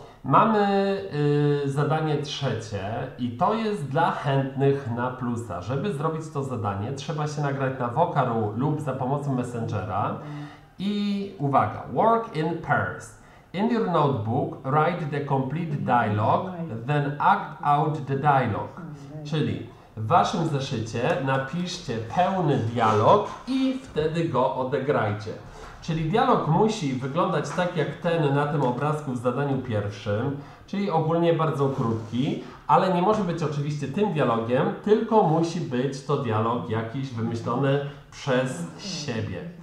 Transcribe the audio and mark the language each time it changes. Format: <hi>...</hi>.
<pl>Mamy zadanie trzecie i to jest dla chętnych na plusa. Żeby zrobić to zadanie, trzeba się nagrać na Vocaloo lub za pomocą Messengera. I uwaga.</pl> <en>Work in pairs. In your notebook, write the complete dialogue, then act out the dialogue.</en> <pl>Czyli w waszym zeszycie napiszcie pełny dialog i wtedy go odegrajcie. Czyli dialog musi wyglądać tak jak ten na tym obrazku w zadaniu pierwszym, czyli ogólnie bardzo krótki, ale nie może być oczywiście tym dialogiem, tylko musi być to dialog jakiś wymyślony przez siebie.</pl>